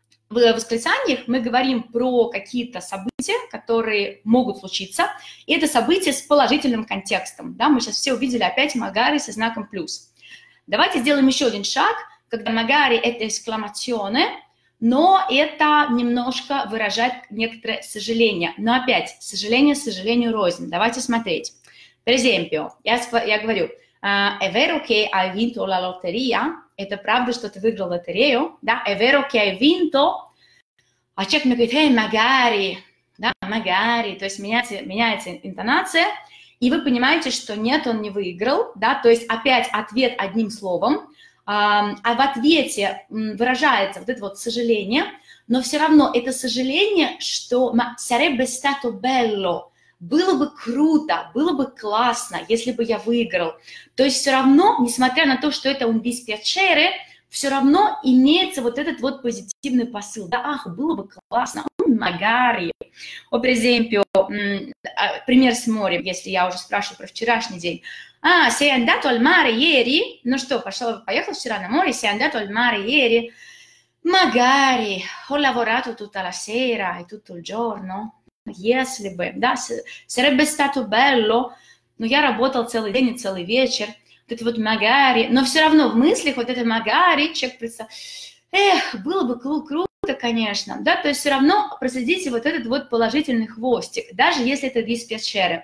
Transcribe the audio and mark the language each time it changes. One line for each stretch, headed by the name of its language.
Russian: восклицаниях мы говорим про какие-то события, которые могут случиться, и это события с положительным контекстом, да, мы сейчас все увидели опять «magari» со знаком «плюс». Давайте сделаем еще один шаг, когда «magari» — это «эскламационе», но это немножко выражает некоторое сожаление. Но опять, сожаление сожалению рознь. Давайте смотреть.
Italian: Per esempio,
Russian: я говорю,
Italian: è vero che hai vinto la lotteria?
Russian: Это правда, что ты выиграл лотерею?
Italian: Да? È vero che hai vinto?
Russian: А человек мне говорит, magari. Да? Magari. То есть меняется интонация. И вы понимаете, что нет, он не выиграл. Да? То есть опять ответ одним словом. А в ответе выражается вот это вот сожаление, но все равно это сожаление, что
Italian: sarebbe stato bello,
Russian: было бы круто, было бы классно, если бы я выиграл. То есть все равно, несмотря на то, что это un dispiacere, все равно имеется вот этот вот позитивный посыл. Да, ах, было бы классно, magari.
Italian: O per esempio,
Russian: пример с морем, если я уже спрашиваю про вчерашний день.
Italian: А, sei andato al mare ieri?
Russian: Ну что, поехал вчера на море,
Italian: sei andato al mare ieri? Magari, ho lavorato tutta la sera e tutto il giorno.
Russian: Если бы, да,
Italian: sarebbe stato bello.
Russian: Ну, я работал целый день и целый вечер. Вот это вот magari. Но все равно в мыслях вот это magari, человек представляет, эх, было бы круто, конечно. Да, то есть все равно проследите вот этот вот положительный хвостик, даже если это dispiacere.